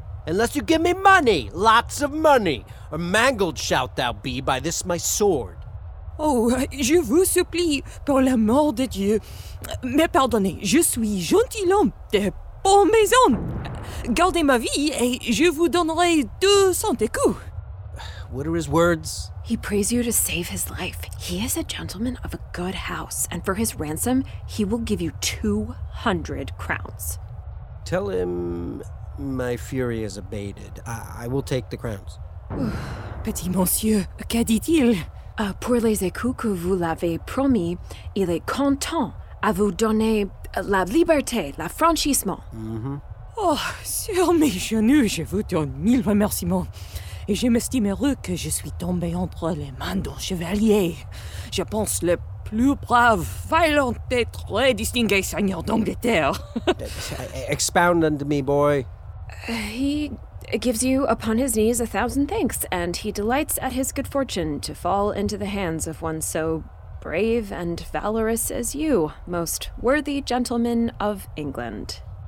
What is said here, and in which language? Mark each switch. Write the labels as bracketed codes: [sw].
[en] Unless you give me money, lots of money, or mangled shalt thou be by this my sword. [fr] Oh, je vous supplie, pour l'amour de Dieu, me pardonnez, je suis gentilhomme de bonne maison. Gardez ma vie et je vous donnerai 200 écus. [en] What are his words? He prays you to save his life. He is a gentleman of a good house, and for his ransom, he will give you 200 crowns. Tell him my fury is abated. I will take the crowns. [fr] Petit monsieur, que dit-il? Pour les écus que vous l'avez promis, il est content à vous donner la liberté, l'affranchissement. Mm-hmm. Oh, sur mes genoux, je vous donne mille remerciements. Et je m'estime heureux que je suis tombé entre les mains d'un chevalier. Je pense le plus brave, valiant et très distingué seigneur d'Angleterre. [en] Expound unto me, boy. He gives you upon his knees 1,000 thanks, and he delights at his good fortune to fall into the hands of one so brave and valorous as you, most worthy gentleman of England.